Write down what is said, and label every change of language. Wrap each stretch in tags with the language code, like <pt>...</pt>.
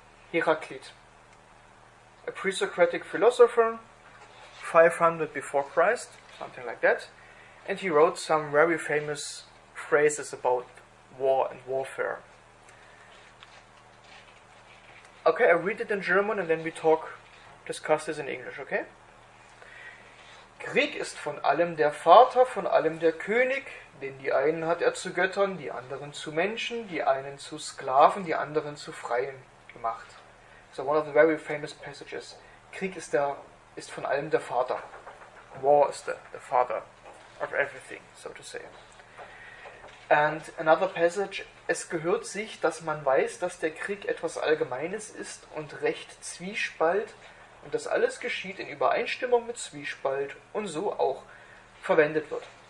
<en>Heraclit, a pre-Socratic philosopher, 500 before Christ, something like that. And he wrote some very famous phrases about war and warfare. Okay, I read it in German and then we discuss this in English, okay?</en> <de>Krieg ist von allem der Vater, von allem der König, denn die einen hat zu Göttern, die anderen zu Menschen, die einen zu Sklaven, die anderen zu Freien gemacht.</de> <en>So one of the very famous passages.</en> <de>Krieg ist von allem der Vater.</de> <en>War is the father of everything, so to say. And another passage,</en> <de>es gehört sich, dass man weiß, dass der Krieg etwas Allgemeines ist und recht Zwiespalt und dass alles geschieht in Übereinstimmung mit Zwiespalt und so auch verwendet wird.</de>